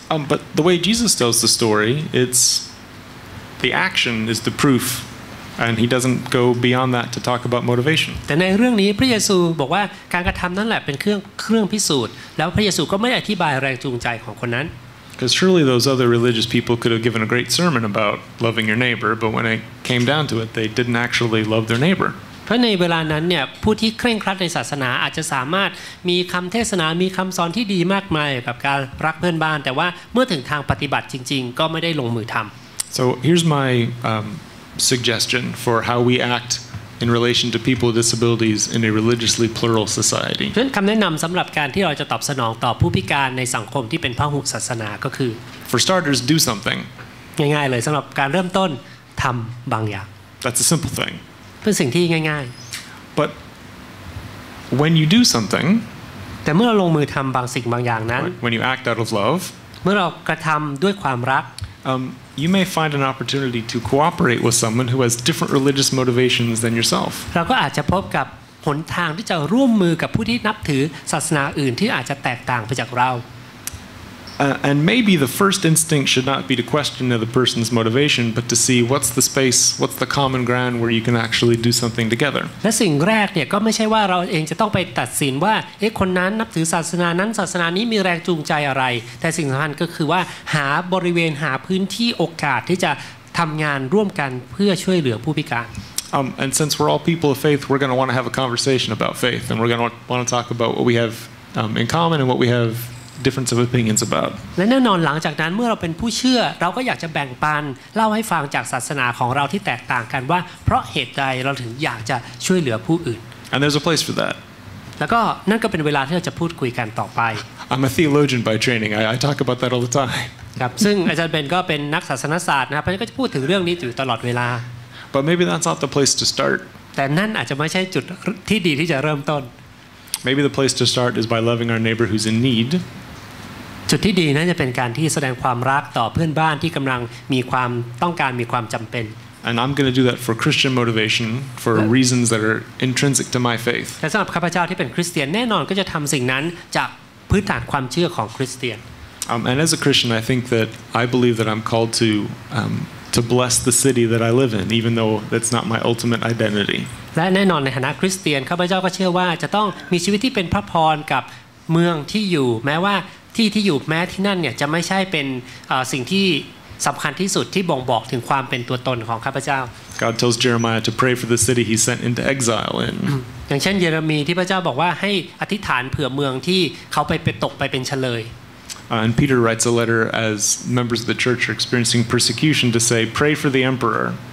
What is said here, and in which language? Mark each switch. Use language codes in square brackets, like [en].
[en] But the way Jesus tells the story, it's the action is the proof, and he doesn't go beyond that to talk about motivation. [th] แต่ในเรื่องนี้พระเยซูบอกว่าการกระทำนั่นแหละเป็นเครื่องพิสูจน์แล้วพระเยซูก็ไม่อธิบายแรงจูงใจของคนนั้น [en] Because surely those other religious people could have given a great sermon about loving your neighbor, but when it came down to it, they didn't actually love their neighbor. But [th] ในเวลานั้นเนี่ยผู้ที่เคร่งครัดในศาสนาอาจจะสามารถมีคำเทศนามีคำสอนที่ดีมากมายกับการรักเพื่อนบ้านแต่ว่าเมื่อถึงทางปฏิบัติจริงๆก็ไม่ได้ลงมือทำ [en] So here's my suggestion for how we act in relation to people with disabilities in a religiously plural society. [th] เพื่อคำแนะนำสำหรับการที่เราจะตอบสนองต่อผู้พิการในสังคมที่เป็นพหุศาสนาก็คือ [en] For starters, do something. [th] ง่ายๆเลยสำหรับการเริ่มต้นทำบางอย่าง [en] That's a simple thing. [th] เป็นสิ่งที่ง่าย [en] ๆ But when you do something, [th] แต่เมื่อเราลงมือทำบางสิ่งบางอย่างนั้น [en] When you act out of love, [th] เมื่อเรากระทำด้วยความรัก [en] you may find an opportunity to cooperate with someone who has different religious motivations than yourself. [th] เราก็อาจจะพบกับหนทางที่จะร่วมมือกับผู้ที่นับถือศาสนาอื่นที่อาจจะแตกต่างไปจากเรา [en] And maybe the first instinct should not be to question the person's motivation, but to see what's the space, what's the common ground where you can actually do something together. [th] และสิ่งแรกเนี่ยก็ไม่ใช่ว่าเราเองจะต้องไปตัดสินว่าเอ๊ะคนนั้นนับถือศาสนานั้นศาสนานี้มีแรงจูงใจอะไรแต่สิ่งสำคัญก็คือว่าหาบริเวณหาพื้นที่โอกาสที่จะทำงานร่วมกันเพื่อช่วยเหลือผู้พิการ [en] And since we're all people of faith, we're going to want to have a conversation about faith, and we're going to want to talk about what we have in common and what we have difference of opinions about. [th] และแน่นอนหลังจากนั้นเมื่อเราเป็นผู้เชื่อเราก็อยากจะแบ่งปันเล่าให้ฟังจากศาสนาของเราที่แตกต่างกันว่าเพราะเหตุใดเราถึงอยากจะช่วยเหลือผู้อื่น [en] And there's a place for that. [th] แล้วก็นั่นก็เป็นเวลาที่เราจะพูดคุยกันต่อไป [en] I'm a theologian by training. I talk about that all the time. [th] ครับซึ่งอาจารย์เบนก็เป็นนักศาสนศาสตร์นะครับท่านก็จะพูดถึงเรื่องนี้อยู่ตลอดเวลา [en] But maybe that's not the place to start. [th] แต่นั่นอาจจะไม่ใช่จุดที่ดีที่จะเริ่มต้น [en] Maybe the place to start is by loving our neighbor who's in need. [th] จุดที่ดีนั้นจะเป็นการที่แสดงความรักต่อเพื่อนบ้านที่กำลังมีความต้องการมีความจำเป็น [en] And I'm going to do that for Christian motivation for reasons that are intrinsic to my faith. [th] และสำหรับข้าพเจ้าที่เป็นคริสเตียนแน่นอนก็จะทำสิ่งนั้นจากพื้นฐานความเชื่อของคริสเตียน [en] And as a Christian, I think that I believe that I'm called to. To bless the city that I live in, even though that's not my ultimate identity. [th] และแน่นอนในฐานะคริสเตียนข้าพเจ้าก็เชื่อว่าจะต้องมีชีวิตที่เป็นพระพรกับเมืองที่อยู่แม้ว่าที่ที่อยู่แม้ที่นั่นเนี่ยจะไม่ใช่เป็นสิ่งที่สำคัญที่สุดที่บ่งบอกถึงความเป็นตัวตนของข้าพเจ้า [en] God tells Jeremiah to pray for the city he sent into exile in. [th] อย่างเช่นเยเรมีย์ที่พระเจ้าบอกว่าให้อธิษฐานเผื่อเมืองที่เขาไปตกไปเป็นเชลย [en] And Peter writes a letter as members of the church are experiencing persecution to say, pray for the emperor.